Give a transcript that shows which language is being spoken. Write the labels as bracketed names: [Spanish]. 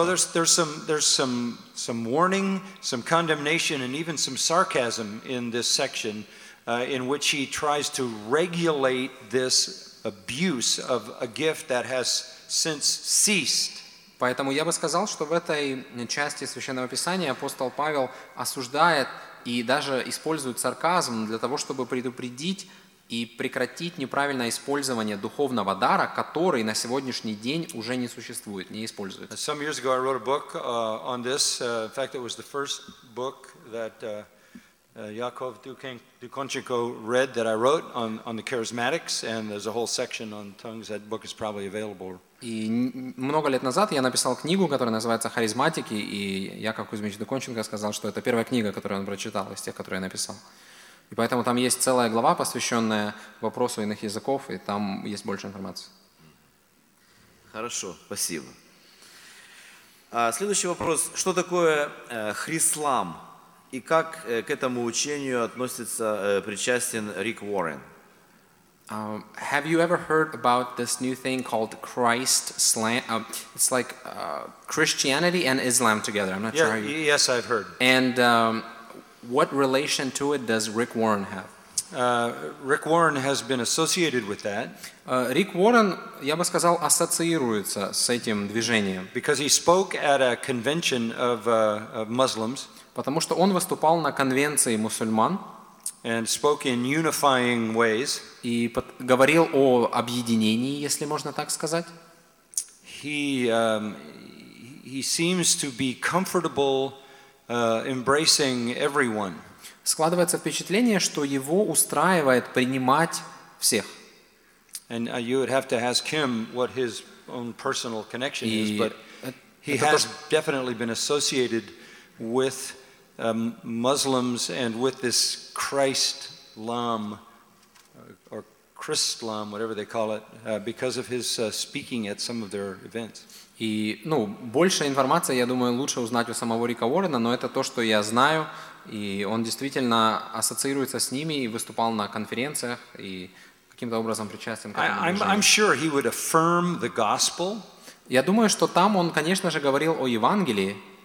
[English] So there's some warning, some condemnation, and even some sarcasm in this section, in which he tries to regulate this abuse of a gift that has since ceased. [Russian] Поэтому я бы сказал, что в этой части Священного Писания апостол Павел осуждает и даже использует сарказм для того, чтобы предупредить и прекратить неправильное использование духовного дара, который на сегодняшний день уже не существует, не используется. [English] Some years ago I wrote a book on this. In fact, it was the first book that Яков Дуконченко read that I wrote on the charismatics, and there's a whole section on tongues. That book is probably available. [Russian] И много лет назад я написал книгу, которая называется «Харизматики», и Яков Кузьмич Дуконченко сказал, что это первая книга, которую он прочитал из тех, которые я написал. И поэтому там есть целая глава, посвященная вопросу иных языков, и там есть больше информации. Хорошо, спасибо. Следующий вопрос. Что такое хрислам? И как к этому учению относится причастен Рик Уоррен? [English] Have you ever heard about this new thing called Christ Slam? It's like Christianity and Islam together. I'm not sure how you... Yes, I've heard. And what relation to it does Rick Warren have? Rick Warren has been associated with that. [Russian] Rick Warren, я бы сказал, ассоциируется с этим движением. [English] Because he spoke at a convention of Muslims. [Russian] Потому что он выступал на конвенции мусульман. [English] And spoke in unifying ways. [Russian] И говорил о объединении, если можно так сказать. [English] He seems to be comfortable embracing everyone. [Russian] Складывается впечатление, что его устраивает принимать всех. [English] And you would have to ask him what his own personal connection is, but he has definitely been associated with Muslims and with this Christ-lam or Christ-lam, whatever they call it, because of his speaking at some of their events. [Russian] И, ну, больше информации, я думаю, лучше узнать у самого Рика Уоррена, но это то, что я знаю, и он действительно ассоциируется с ними и выступал на конференциях и каким-то образом причастен к этому движению. [English] I'm sure he would affirm the gospel. [Russian] Я думаю, что там он, конечно же, говорил о Евангелии.